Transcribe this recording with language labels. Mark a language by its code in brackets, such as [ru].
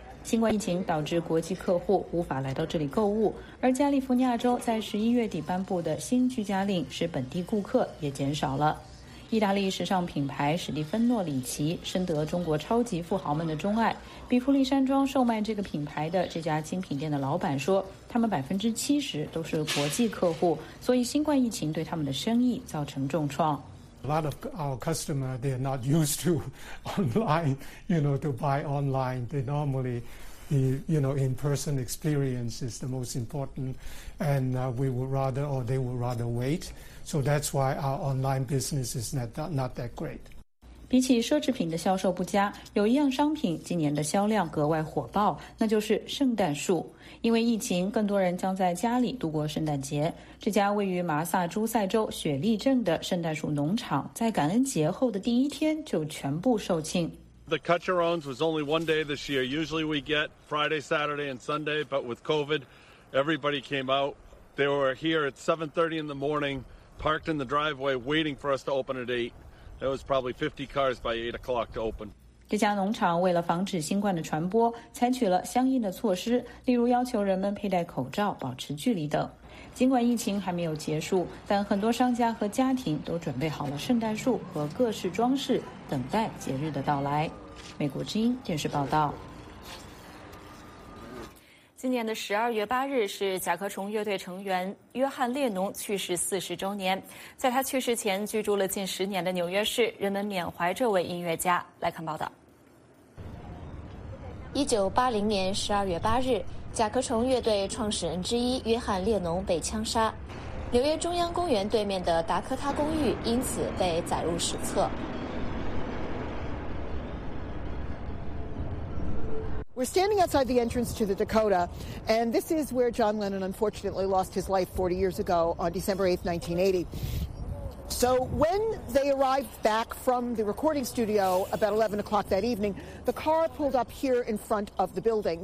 [zh] 新冠疫情导致国际客户无法来到这里购物，而加利福尼亚州在11月底颁布的新居家令使本地顾客也减少了。意大利时尚品牌史蒂芬诺里奇深得中国超级富豪们的钟爱，比弗利山庄售卖这个品牌的这家精品店的老板说，他们70%都是国际客户，所以新冠疫情对他们的生意造成重创。 [en] A lot of our customers, they're not used to online, you know, to buy online. They normally, you know, in-person experience is the most important. And we would rather, or they would rather wait. So that's why our online business is not that great. [zh] 比起奢侈品的销售不佳，有一样商品今年的销量格外火爆，那就是圣诞树。因为疫情，更多人将在家里度过圣诞节。这家位于麻萨诸塞州雪莉镇的圣诞树农场，在感恩节后的第一天就全部售罄。 [en] The cut your owns was only one day this year. Usually we get Friday, Saturday, and Sunday, but with COVID, everybody came out. They were here at 7:30 in the morning, parked in the driveway, waiting for us to open at 8. There was probably 50 cars by 8 o'clock to open. [zh] 这家农场为了防止新冠的传播，采取了相应的措施，例如要求人们佩戴口罩、保持距离等。尽管疫情还没有结束，但很多商家和家庭都准备好了圣诞树和各式装饰，等待节日的到来。美国之音电视报道。今年的12月8日是甲壳虫乐队成员约翰列侬去世40周年。在他去世前居住了近10年的纽约市，人们缅怀这位音乐家。来看报道。 1980年12月8日，甲壳虫乐队创始人之一约翰列侬被枪杀，纽约中央公园对面的达科他公寓因此被载入史册。 [en] We're standing outside the entrance to the Dakota, and this is where John Lennon unfortunately lost his life 40 years ago on December 8, 1980. So when they arrived back from the recording studio about 11 o'clock that evening, the car pulled up here in front of the building.